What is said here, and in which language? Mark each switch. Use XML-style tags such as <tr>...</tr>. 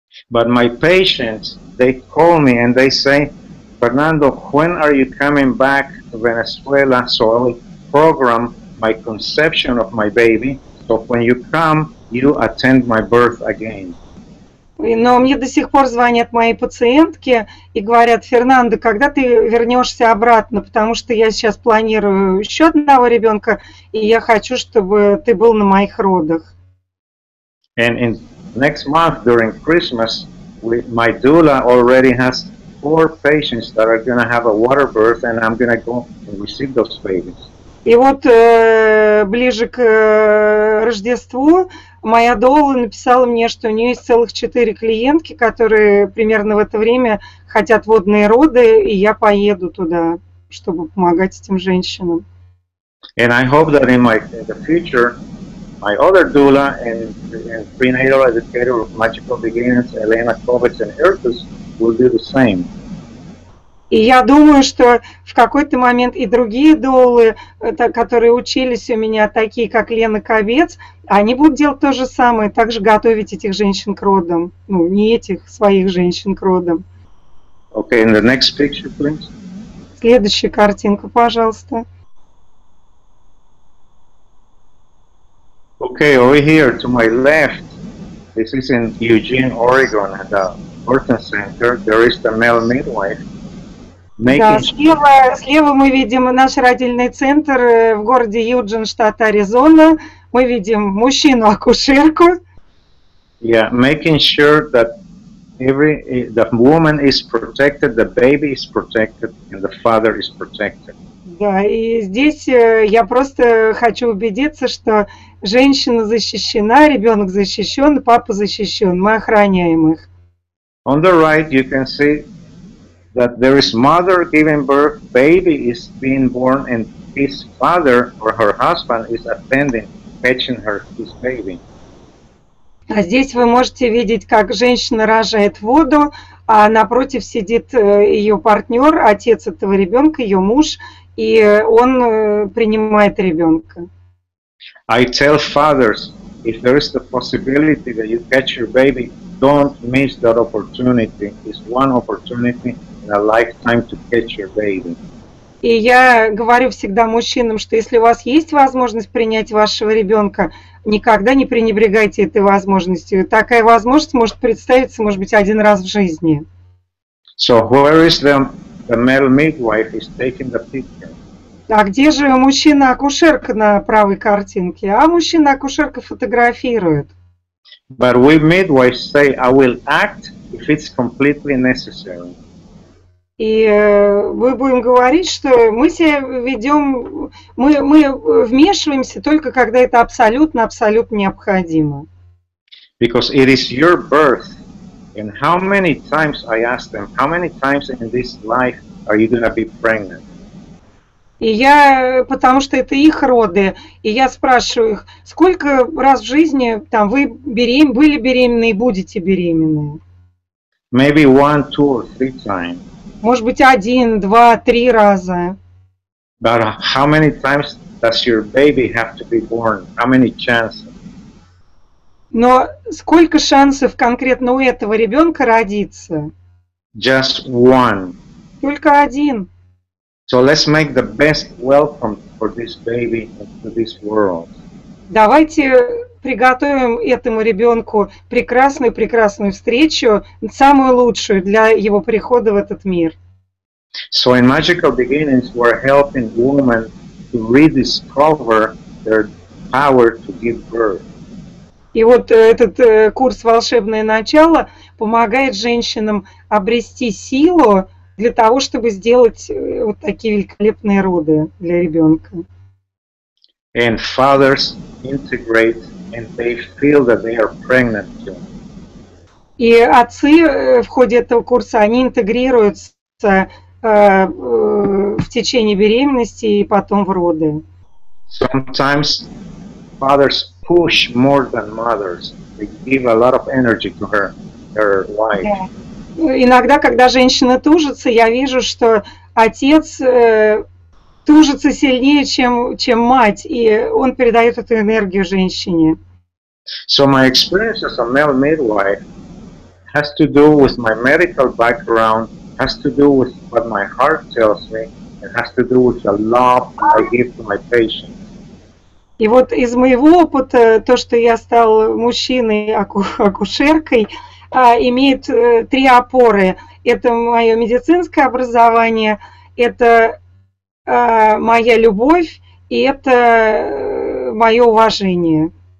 <en>But my patients, they call me and they say, Fernando, when are you coming back to Venezuela so I will program my conception of my baby. So when you come, you attend my birth again.</en> <ru>Но мне до сих пор звонят мои пациентки и говорят: Фернандо, когда ты вернешься обратно, потому что я сейчас планирую еще одного ребенка, и я хочу, чтобы ты был на моих родах.</ru> <en>And in next month during Christmas, my doula already has 4 patients that are going to have a water birth, and I'm going to go and receive those babies.</en> <ru>И вот ближе к Рождеству моя доула написала мне, что у нее есть целых 4 клиентки, которые примерно в это время хотят водные роды, и я поеду туда, чтобы помогать этим женщинам.</ru> <en>And I hope that in the future, my other doula and prenatal educator of Magical Beginnings, Elena Kovacs and Hertus, will do the same.</en> <ru>И я думаю, что в какой-то момент и другие доулы, которые учились у меня, такие как Лена Ковец, они будут делать то же самое, также готовить этих женщин к родам. Ну, не этих, своих женщин к родам.</ru> <en>Okay, and the next picture, please.</en> <ru>Следующая картинка, пожалуйста.</ru> <en>Okay, over here to my left, this is in Eugene, Oregon, at the birth center, there is the male midwife.</en> <ru>Да, слева, слева мы видим наш родильный центр в городе Юджин, штат Аризона. Мы видим мужчину-акушерку.</ru> <en>Yeah, making sure that the woman is protected, the baby is protected, and the father is protected.</en> <ru>Да, и здесь я просто хочу убедиться, что женщина защищена, ребенок защищен, папа защищен, мы охраняем их.</ru> <en>On the right you can see that there is mother giving birth, baby is being born, and his father or her husband is attending, fetching her his baby.</en> <ru>А здесь вы можете видеть, как женщина рожает воду, а напротив сидит ее партнер, отец этого ребенка, ее муж, и он принимает ребенка.</ru> <en>I tell fathers, if there is the possibility that you catch your baby, don't miss that opportunity. It's one opportunity. A lifetime to catch your baby.</en> <ru>И я говорю всегда мужчинам, что если у вас есть возможность принять вашего ребенка, никогда не пренебрегайте этой возможностью. Такая возможность может представиться, может быть, один раз в жизни.</ru> <en>So where is the male midwife is taking the picture?</en> <ru>А где же мужчина-акушерка на правой картинке? А мужчина-акушерка фотографирует.</ru> <en>But we midwives say, I will act if it's completely necessary.</en> <ru>И мы будем говорить, что мы себя ведем, мы вмешиваемся только когда это абсолютно необходимо.</ru> <en>Because it is your birth, and how many times I ask them, how many times in this life are you going to be pregnant?</en> <ru>И я, потому что это их роды, и я спрашиваю их, сколько раз в жизни там вы были беременны и будете беременны?</ru> <en>Maybe 1, 2, or 3 times.</en> <ru>Может быть, 1, 2, 3 раза.</ru> <en>But how many times does your baby have to be born? How many chances?</en> <ru>Но сколько шансов конкретно у этого ребенка родиться?</ru> <en>Just one.</en> <ru>Только один.</ru> <en>So let's make the best welcome for this baby to this world.</en> <ru>Давайте приготовим этому ребенку прекрасную встречу, самую лучшую для его прихода в этот мир.</ru> <en>So in Magical Beginnings we're helping women to rediscover their power to give birth.</en> <ru>И вот этот курс «Волшебное начало» помогает женщинам обрести силу для того, чтобы сделать вот такие великолепные роды для ребенка.</ru> <en>And fathers integrate and they feel that they are pregnant too.</en> <ru>И отцы в ходе этого курса, они интегрируются в течение беременности и потом в роды.</ru> <en>Sometimes fathers push more than mothers. They give a lot of energy to her wife. Yeah.</en> <ru>Иногда, когда женщина тужится, я вижу, что отец тужится сильнее, чем мать, и он передает эту энергию женщине.</ru> <en>So my experience as a male midwife has to do with my medical background, has to do with what my heart tells me, and has to do with the love I give to my patients.</en> <ru>И вот из моего опыта, то, что я стал мужчиной, акушеркой, имеет три опоры. Это мое медицинское образование, это моя любовь и это мое уважение.</ru>